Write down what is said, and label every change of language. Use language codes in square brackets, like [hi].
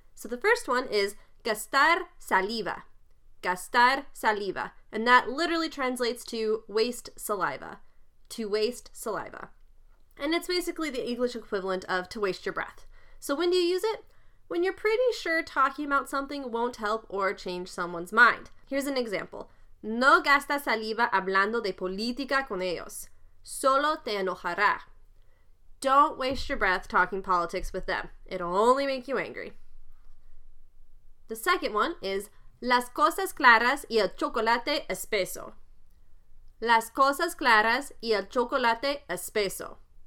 [en] So the first one is [es] gastar saliva. Gastar saliva. [en] And that literally translates to waste saliva. To waste saliva. And it's basically the English equivalent of to waste your breath. So when do you use it? When you're pretty sure talking about something won't help or change someone's mind. Here's an example. [es] No gastas saliva hablando de política con ellos. Solo te enojará. [en] Don't waste your breath talking politics with them. It'll only make you angry. The second one is [es] las cosas claras y el chocolate espeso. Las cosas claras y el chocolate espeso.